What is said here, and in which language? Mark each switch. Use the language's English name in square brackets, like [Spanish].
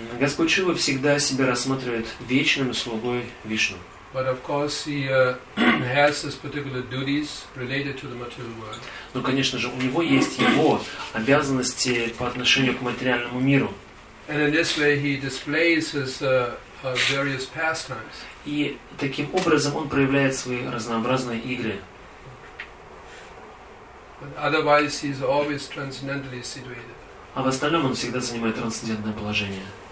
[Russian] Господь Шива всегда себя рассматривает вечным слугой Вишну. [English] But of course he has his particular duties related to the material world. [Russian] Но, конечно же, у него есть его обязанности по отношению к материальному миру. [English] And in this way he displays his various pastimes. [Russian] И таким образом он проявляет свои разнообразные игры. [English] But otherwise he is always transcendentally situated. [Russian] А в остальном он всегда занимает трансцендентное положение.